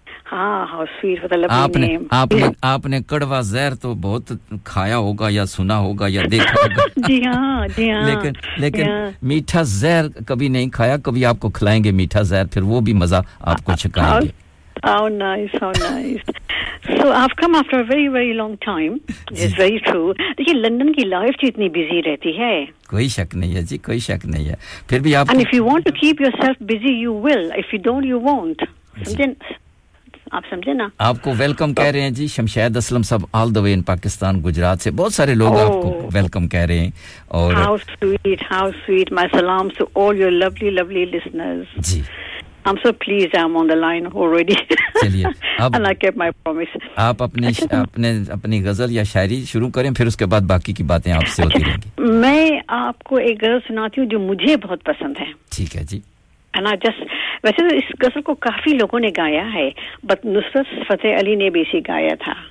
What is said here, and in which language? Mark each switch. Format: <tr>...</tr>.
<ur>ہاں how sweet مطلب آپ نے کڑوا زہر تو بہت کھایا ہوگا یا سنا ہوگا یا دیکھا ہوگا لیکن میٹھا زہر کبھی نہیں کھایا کبھی آپ کو کھلائیں گے میٹھا زہر پھر وہ بھی مزہ آپ کو چکھائیں گے</ur> <en>How nice, how nice. So I've come after a very, very long time. It's very true.</en> <ur>دیکھیے لندن کی لائف جو اتنی بزی رہتی ہے کوئی شک نہیں ہے جی کوئی شک نہیں ہے پھر بھی آپ</ur> <en>And if you want to keep yourself busy, you will. If you don't, you won't.</en> <ur>آپ سمجھے نا آپ کو ویلکم کہہ رہے ہیں جی شمشاد اسلم صاحب آل دا وے ان پاکستان گجرات سے بہت سارے لوگ آپ کو ویلکم کہہ رہے ہیں اور</ur> <en>how sweet my سلام to all your lovely lovely listeners</en> <ur>جی</ur> <en>I'm so pleased I'm on the line already.</en> <ur>چلیے</ur> <en>and I kept my promise.</en> <ur>آپ اپنی غزل یا شاعری شروع کریں پھر اس کے بعد باقی کی باتیں آپ سے ہوتی رہیں گی میں آپ کو ایک غزل سناتی ہوں جو مجھے بہت پسند ہے ٹھیک ہے جی And I just, ویسے تو اس غزل کو کافی لوگوں نے گایا ہے بٹ نصرت فتح علی نے بھی اسے گایا تھا</ur>